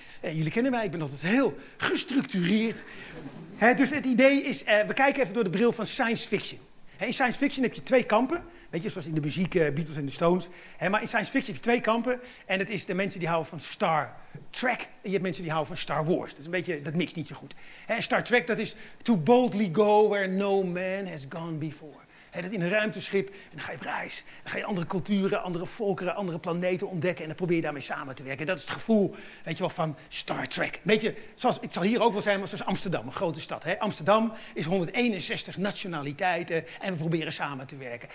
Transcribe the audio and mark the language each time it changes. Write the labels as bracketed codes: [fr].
[nl] Jullie kennen mij, ik ben altijd heel gestructureerd. Dus het idee is, we kijken even door de bril van science fiction. In science fiction heb je twee kampen. Weet je, zoals in de muziek Beatles en de Stones. Maar in science fiction heb je twee kampen. En dat is de mensen die houden van Star Trek. En je hebt mensen die houden van Star Wars. Dat is een beetje, dat mixt niet zo goed. [en] Star Trek, [nl] dat is [en] to boldly go where no man has gone before. [nl] Dat in een ruimteschip, en dan ga je op reis. Dan ga je andere culturen, andere volkeren, andere planeten ontdekken. En dan probeer je daarmee samen te werken. Dat is het gevoel, weet je wel, van Star Trek. Beetje, zoals, het zal hier ook wel zijn, maar zoals Amsterdam, een grote stad. Amsterdam is 161 nationaliteiten en we proberen samen te werken.